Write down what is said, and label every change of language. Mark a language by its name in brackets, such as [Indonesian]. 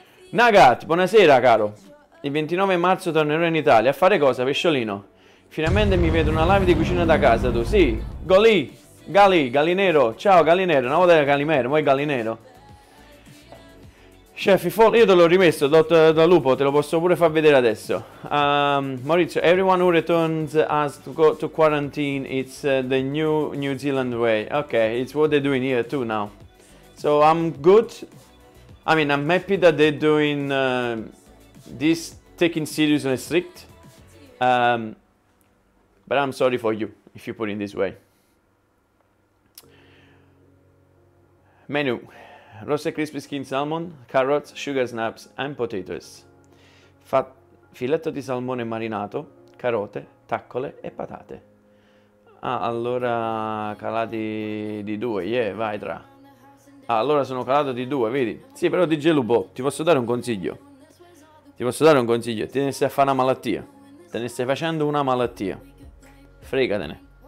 [Italian] Nagat, buonasera caro. Il 29 marzo tornerò in Italia. A fare cosa, pesciolino? Finalmente mi vedo una live di cucina da casa, tu. Sì, Golì, Galì, Gallinero. Ciao, Gallinero. Una volta era Gallinero, ma è Gallinero. Chef, io te l'ho rimesso, da Lupo, te lo posso pure far vedere adesso. [English] Maurizio, everyone who returns has to go to quarantine, it's the New Zealand way. Okay, it's what they're doing here too now. So I'm good. I mean, I'm happy that they're doing this, taking seriously strict. But I'm sorry for you, if you put it this way. Menu. Roasted crispy skin salmon, carrots, sugar snaps and potatoes. [Italian] Filetto di salmone marinato, carote, taccole e patate. Ah, allora calati di due, yeah, vai tra. Ah, allora sono calato di due, vedi? Sì, però DJ Lupo, ti posso dare un consiglio. Te ne stai a fare una malattia. Te ne stai facendo una malattia. Fregatene.